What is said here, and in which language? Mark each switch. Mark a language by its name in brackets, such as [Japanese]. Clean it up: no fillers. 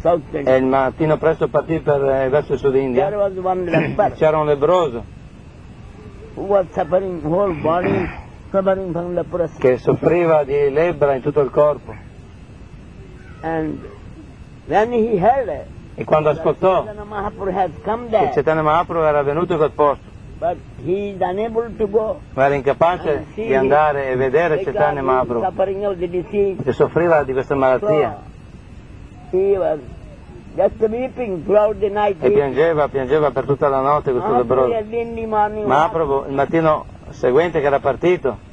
[Italian] E il mattino presto partì per verso il sud India. [English] There was one leper. [Italian] C'era un lebroso. [English] Who was suffering whole body, suffering from leprosy. [Italian] Che soffriva di lebbra in tutto il corpo. [English] And then he heard. [Italian] E quando ascoltò che Chaitanya Mahaprabhu era venuto in quel posto. [English] But he is unable to go. [Italian] Ma era incapace di andare e vedere Chaitanya Mahaprabhu, che soffriva di questa malattia. [English] So, he was just weeping throughout the night. [Italian] E piangeva per tutta la notte questo lebroso. Mahaprabhu il mattino seguente che era partito,